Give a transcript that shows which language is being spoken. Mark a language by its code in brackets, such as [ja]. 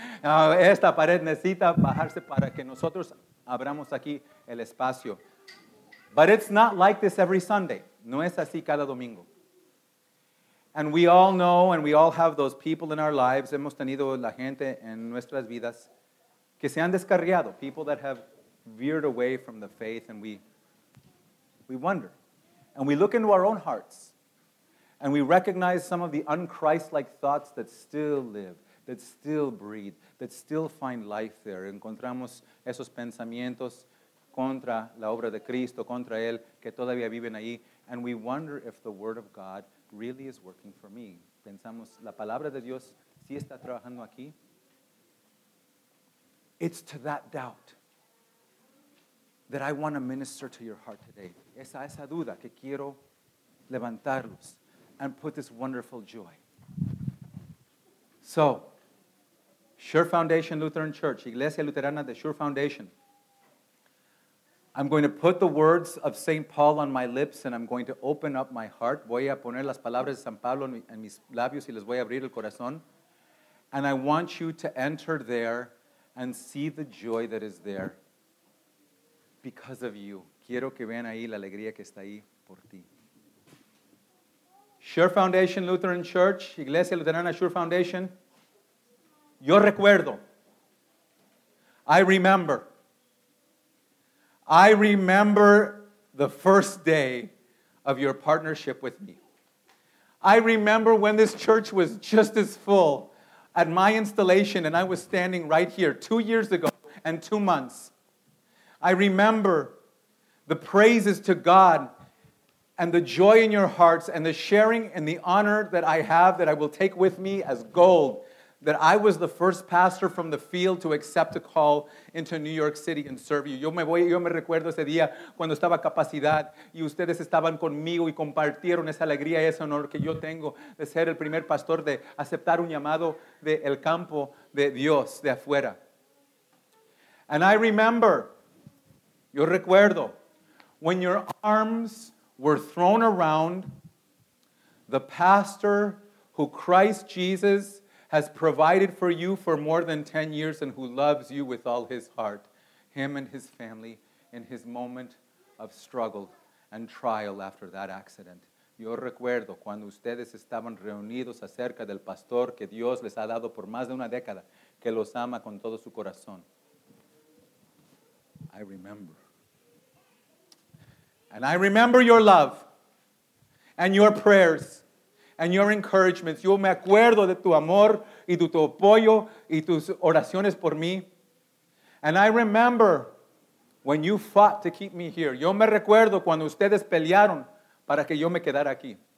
[es] Esta pared necesita bajarse para que nosotros abramos aquí el espacio. [en] But it's not like this every Sunday. [es] No es así cada domingo. [en] And we all know and we all have those people in our lives. [es] Hemos tenido la gente en nuestras vidas que se han descarriado. [en] People that have veered away from the faith and we wonder. And we look into our own hearts. And we recognize some of the unchrist-like thoughts that still live, that still breathe, that still find life there. [es] Encontramos esos pensamientos contra la obra de Cristo, contra él, que todavía viven ahí. [en] And we wonder if the Word of God really is working for me. [es] Pensamos, ¿la palabra de Dios sí está trabajando aquí? [en] It's to that doubt that I want to minister to your heart today. [es] Esa duda que quiero levantarlos. [en] And put this wonderful joy. So, Sure Foundation Lutheran Church, Iglesia Luterana de Sure Foundation. I'm going to put the words of St. Paul on my lips and I'm going to open up my heart. [es] Voy a poner las palabras de San Pablo en mis labios y les voy a abrir el corazón. [en] And I want you to enter there and see the joy that is there because of you. [es] Quiero que vean ahí la alegría que está ahí por ti. [en] Sure Foundation Lutheran Church, Iglesia Luterana Sure Foundation. [es] Yo recuerdo. [en] I remember. I remember the first day of your partnership with me. I remember when this church was just as full at my installation and I was standing right here 2 years ago and 2 months. I remember the praises to God and the joy in your hearts and the sharing and the honor that I have that I will take with me as gold, that I was the first pastor from the field to accept a call into New York City and serve you. [es] Yo me recuerdo ese día cuando estaba capacidad y ustedes estaban conmigo y compartieron esa alegría y ese honor que yo tengo de ser el primer pastor de aceptar un llamado de el campo de Dios de afuera. [en] And I remember, [es] yo recuerdo, [en] when your arms were thrown around the pastor who Christ Jesus has provided for you for more than 10 years and who loves you with all his heart, him and his family, in his moment of struggle and trial after that accident. [es] Yo recuerdo cuando ustedes estaban reunidos acerca del pastor que Dios les ha dado por más de una década, que los ama con todo su corazón. [en] I remember. And I remember your love and your prayers and your encouragements. [es] Yo me acuerdo de tu amor y de tu apoyo y tus oraciones por mí. [en] And I remember when you fought to keep me here. [es] Yo me recuerdo cuando ustedes pelearon para que yo me quedara aquí.